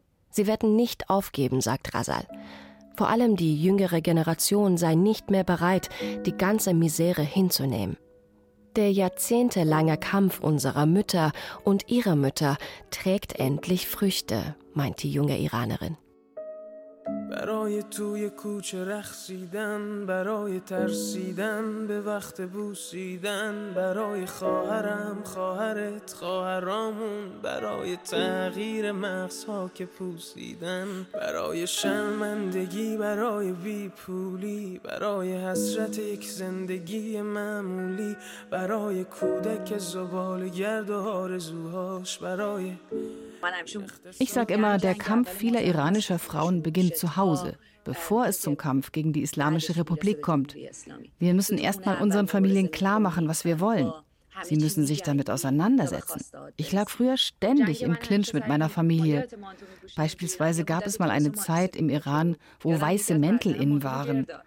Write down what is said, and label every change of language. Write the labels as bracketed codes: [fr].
[de] Sie werden nicht aufgeben, sagt Ghazal. Vor allem die jüngere Generation sei nicht mehr bereit, die ganze Misere hinzunehmen. Der jahrzehntelange Kampf unserer Mütter und ihrer Mütter trägt endlich Früchte, meint die junge Iranerin. [fa] برای توی کوچه رقصیدن برای ترسیدن به وقت بوسیدن برای خواهرم خواهرت خواهرامون برای تغییر مغزها که پوسیدن برای شرمندگی برای بی پولی برای حسرت یک زندگی معمولی برای کودک زبال گرد و آرزوهاش برای [de] Ich sage immer, der Kampf vieler iranischer Frauen beginnt zu Hause, bevor es zum Kampf gegen die Islamische Republik kommt. Wir müssen erst mal unseren Familien klar machen, was wir wollen. Sie müssen sich damit auseinandersetzen. Ich lag früher ständig im Clinch mit meiner Familie. Beispielsweise gab es mal eine Zeit im Iran, wo weiße Mäntel innen waren.